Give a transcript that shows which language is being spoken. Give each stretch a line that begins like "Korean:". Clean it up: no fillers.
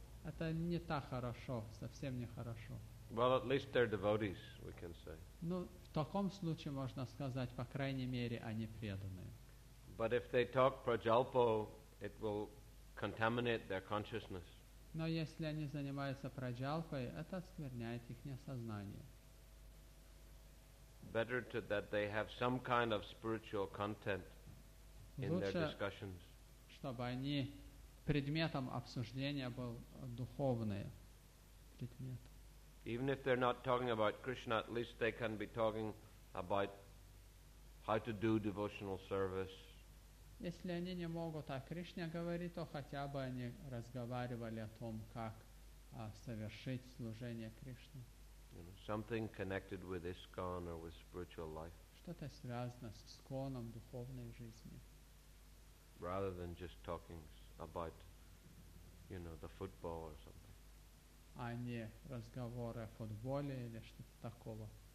Russian: Это не так хорошо, совсем не хорошо.
English: Well, at least they're devotees, we can say.
Russian: Ну, в таком случае можно сказать, по крайней мере, они преданные.
English: But if they talk prajalpo, it will contaminate their consciousness.
Russian: Но если они занимаются праджалпой, это оскверняет их сознание.
English: Better to that they have some kind of spiritual content in their discussions.
Russian: Лучше, чтобы они предметом обсуждения был духовный предмет.
English: Even if they're not talking about Krishna, at least they can be talking about how to do devotional service.
Russian: Если они не могут о Кришне говорить, то хотя бы они разговаривали о том, как совершить служение Кришне.
English: You know, something connected with ISKCON or with spiritual life.
Russian: Что-то связано с ИСККОНом духовной жизни.
English: Rather than just talking about, you know, the football or something.
Russian: А не разговоры о футболе или что-то такого.